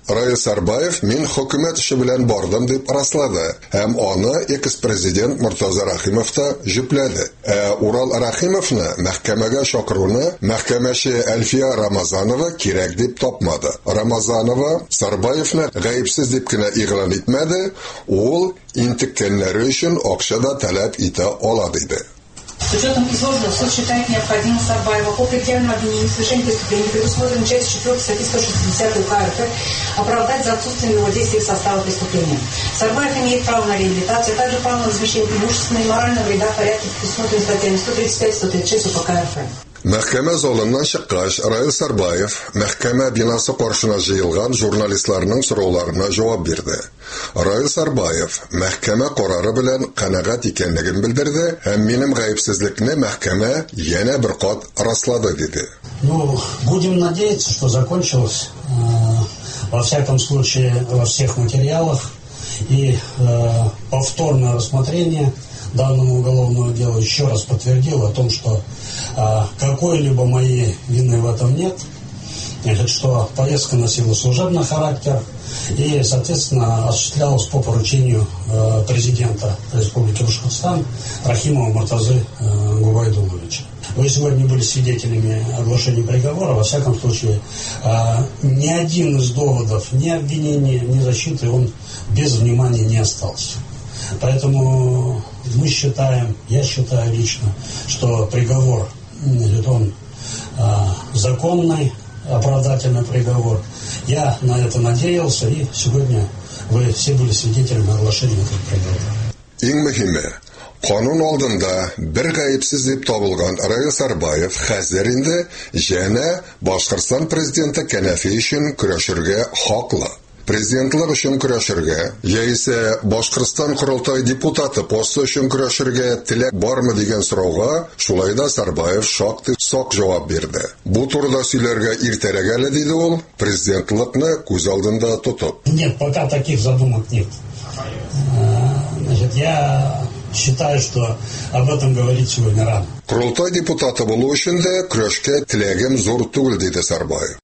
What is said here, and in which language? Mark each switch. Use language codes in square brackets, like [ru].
[tt] Раил Сарбаев мин хөкүмәт эше белән бардым дип раслады һәм аны экс-президент Муртаза Рәхимов та җөпләде. Ә Урал Рәхимовны мәхкәмәгә шакыруны мәхкәмәче Әлфия Рамазанова кирәк дип тапмады. Рамазанова Сарбаевны гаепсез дип кенә игълан итмәде, ул интеккәннәре өчен акча да таләп итә ала диде. [ru] С учетом изложенного, суд считает необходимым Сарбаева по предъявленному обвинению в совершении преступления, предусмотренной частью 4 статьи 160 УК РФ, оправдать за отсутствием его действий в составе преступления. Сарбаев имеет право на реабилитацию, а также право на возмещение имущественного и морального вреда в порядке предусмотренной статьями 135-136 УК РФ. [tt] Мәхкәмә залыннан чыккач, Раил Сарбаев мәхкәмә бинасы каршына җыелган журналистларның сорауларына җавап бирде. Раил Сарбаев мәхкәмә карары белән канәгать икәнлеген белдерде һәм минем гаепсезлекне мәхкәмә янә бер кат раслады диде. [ru] Ну, будем надеяться, что закончилось во всяком случае во всех материалах и повторное рассмотрение данному уголовному делу еще раз подтвердил о том, что какой-либо моей вины в этом нет, что поездка носила служебный характер и, соответственно, осуществлялась по поручению президента Республики Башкортостан Рахимова Муртазы Губайдулловича. Вы сегодня были свидетелями оглашения приговора. Во всяком случае, ни один из доводов, ни обвинения, ни защиты он без внимания не остался. Поэтому мы считаем, я считаю лично, что приговор, он законный, оправдательный приговор. Я на это надеялся, и сегодня вы все были свидетелями оглашения этого приговора. [tt] Иң мөһиме, канун алдында бер гаепсез дип табылган Раил Сарбаев хәзер инде яна Башкортстан президенты кәнәфе өчен көрәшергә хаклы. Президентлык өчен көрәшергә, яисә Башкортстан Курултай депутаты посты өчен көрәшергә теләк бармы дигән сорауга шулай да Сарбаев шактый сак җавап бирде. Бу турыда сөйләргә иртәрәк әле, диде ул, президентлыкны күз алдында тотып. [ru] Нет, пока таких задумок нет. Значит, я считаю, что об этом говорить сегодня рано. [tt] Курултай депутаты булу өчен дә көрәшкә теләгем зур түгел, диде Сарбаев.